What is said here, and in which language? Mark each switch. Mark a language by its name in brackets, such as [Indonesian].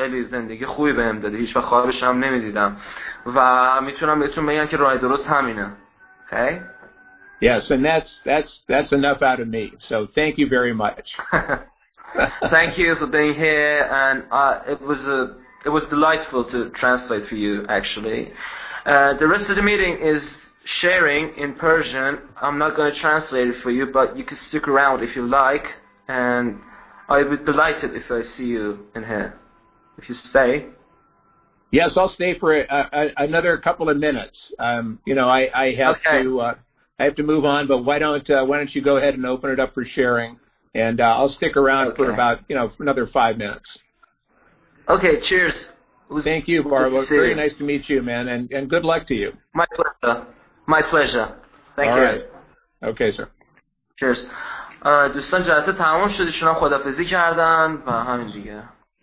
[Persian] خیلی زندگی خوبی به هم داده، هیچ وقت خوابش هم نمیدیدم و میتونم بهتون بگم که راه درست همینه. خیلی [English] Yes, and that's enough out of me, so thank you very much. Thank you for being here, and it was delightful to translate for you, actually. The rest of the meeting is sharing in Persian. I'm not going to translate it for you, but you can stick around if you like. And I'd be delighted if I see you in here. If you stay. Yes, I'll stay for another couple of minutes. You know, I have okay. to I have to move on. But why don't you go ahead and open it up for sharing, and I'll stick around okay. for about another 5 minutes. Okay. Cheers. Thank you, Barbara. Very nice to meet you, man, and good luck to you. My pleasure. My pleasure. Thank All you. All right. Okay, sir. Cheers. [Persian] دوستان جلسه تمام شد، ایشون هم خدافظی کردن و همین دیگه.